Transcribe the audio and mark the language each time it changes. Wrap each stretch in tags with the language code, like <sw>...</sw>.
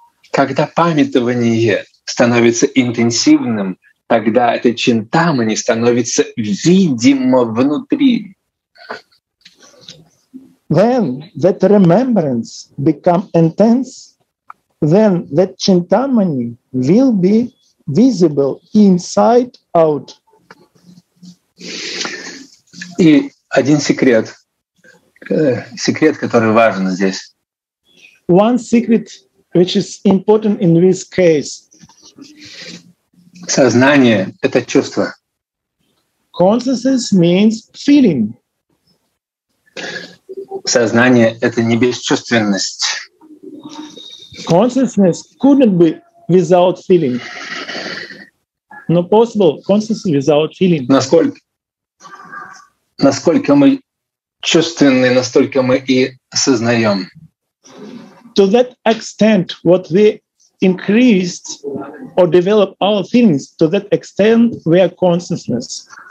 <ru>Когда памятование становится интенсивным, тогда это чинтамани становится видимо внутри.</ru> <en>Then that remembrance become intense, then that чинтамани will be visible inside out.</en> <ru>И один секрет, секрет, который важен здесь.</ru> <en>One secret which is important in this case.</en> <ru>Сознание — это чувство.</ru> <en>Consciousness means feeling.</en> <ru>Сознание — это не бесчувственность.</ru> <en>Consciousness couldn't be without feeling. No possible consciousness without feeling.</en> <ru>Насколько мы чувственны, настолько мы и осознаем.</ru> <en>To that extent, what we increased or develop our feelings, to that extent, we are consciousness.</en>